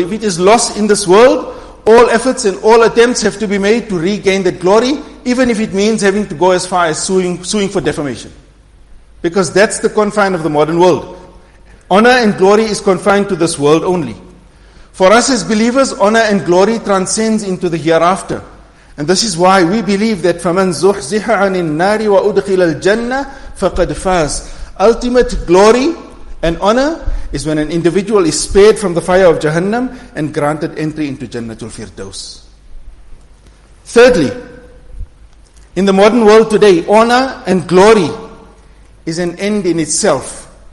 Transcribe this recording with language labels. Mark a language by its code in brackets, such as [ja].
[en] If it is lost in this world, all efforts and all attempts have to be made to regain that glory, even if it means having to go as far as suing for defamation. Because that's the confine of the modern world. Honor and glory is confined to this world only. For us as believers, honor and glory transcends into the hereafter. And this is why we believe that [ar] فَمَنْ زُحْزِحَ عَنِ النَّارِ وَأُدْخِلَ الْجَنَّةِ فَقَدْ فَازَ. [en] Ultimate glory and honor is when an individual is spared from the fire of Jahannam and granted entry into Jannatul Firdaus. Thirdly, in the modern world today, honor and glory is an end in itself.